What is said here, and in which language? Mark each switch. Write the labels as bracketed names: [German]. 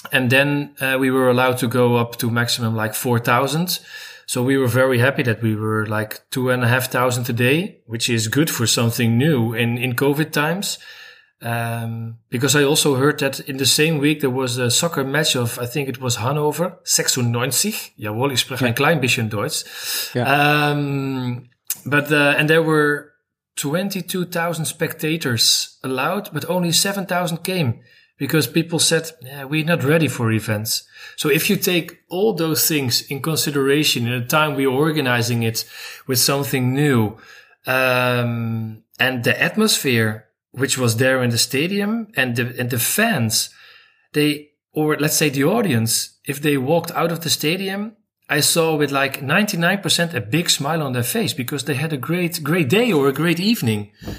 [English] And then we were allowed to go up to maximum like 4,000. So we were very happy that we were like 2,500 a day, which is good for something new in COVID times. Because I also heard that in the same week there was a soccer match of, I think it was Hannover, 96. [German] Jawohl, ich spreche ein klein bisschen Deutsch. [English] And there were 22,000 spectators allowed, but only 7,000 came because people said, yeah, we're not ready for events. So if you take all those things in consideration in a time we're organizing it with something new, and the atmosphere, which was there in the stadium, and the fans, they, or let's say the audience, if they walked out of the stadium, I saw with like 99% a big smile on their face because they had a great day or a great evening.